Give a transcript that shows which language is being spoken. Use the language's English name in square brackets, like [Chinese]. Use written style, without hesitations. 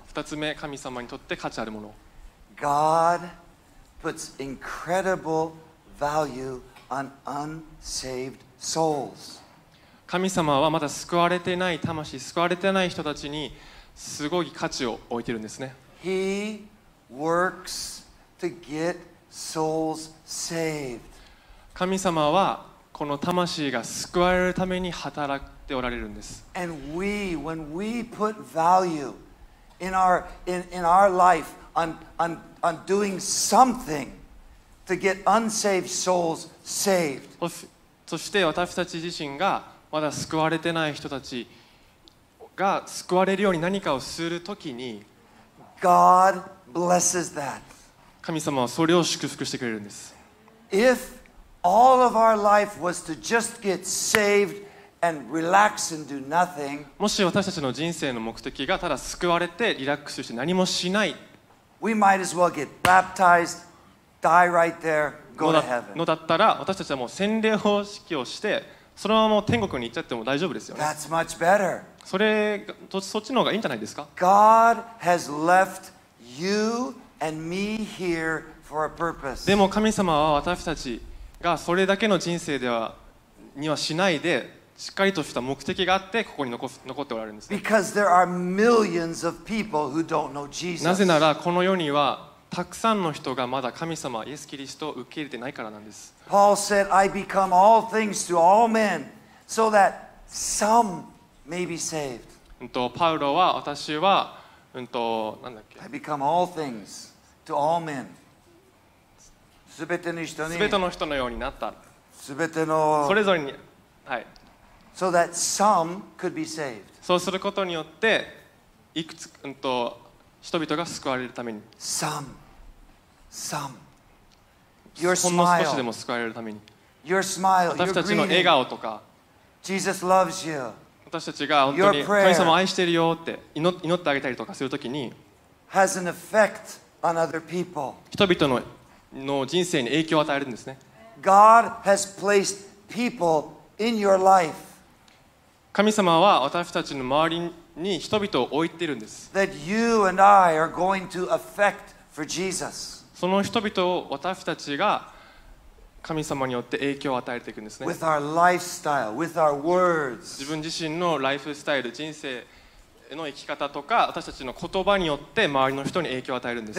[Japanese] 2つ目、神様にとって価値あるもの。 [English] God puts incredible value on unsaved souls. [Japanese] 神様はまだ救われてない魂、救われてない人たちにすごい価値を置いてるんですね。 [English] He works to get souls saved. [Japanese] 神様はこの魂が救われるために働いておられるんです。 [English] And we, when we put value in our, in our life on doing something to get unsaved souls saved. [Japanese] そして私たち自身がまだ救われてない人たちが救われるように何かをするときに、 [English] God blesses that. [Japanese] 神様はそれを祝福してくれるんです。 [English] If all of our life was to just get saved and relax and do nothing, [Japanese] もし私たちの人生の目的がただ救われてリラックスして何もしない、 [English] We might as well get baptized, die right there, go to heaven. [Japanese] のだったら私たちはもう洗礼方式をしてそのまま天国に行っちゃっても大丈夫ですよね。 [English] That's much better. [Japanese] そっちの方がいいんじゃないですか。 [English] God has left you and me here for a purpose. [Japanese] でも神様は私たちがそれだけの人生ではにはしないで、しっかりとした目的があってここに 残っておられるんです、ね。 [English] Because there are millions of people who don't know Jesus. [Japanese] なぜならこの世にはたくさんの人がまだ神様イエス・キリストを受け入れてないからなんです。 [English] Paul said, "I become all things to all men, so that some." Maybe saved. [Japanese] パウロは私は、なんだっけ、 [English] I become all things to all men. [Japanese] 全ての人に、全ての人のようになった。全てのそれぞれに、はい。 [English] So that some could be saved. [Japanese] そうすることによっていくつ、人々が救われるために。 [English] Some. Your smile. [Japanese] ほんの少しでも救われるために。 [English] Your smile. [Japanese] 私たちの笑顔とか。 [English] Jesus loves you. [Japanese] 私たちが本当に神様を愛してるよって祈ってあげたりとかするときに、 [English] has an effect on other people. [Japanese] 人々 の人生に影響を与えるんですね。 [English] God has placed people in your life. [Japanese] 神様は私たちの周りに人々を置いているんです。 [English] That you and I are going to affect for Jesus. [Japanese] その人々を私たちが神様によって影響を与えていくんですね。 [English] With our lifestyle, with our words. [Japanese] 自分自身のライフスタイル、人生の生き方とか私たちの言葉によって周りの人に影響を与えるんです。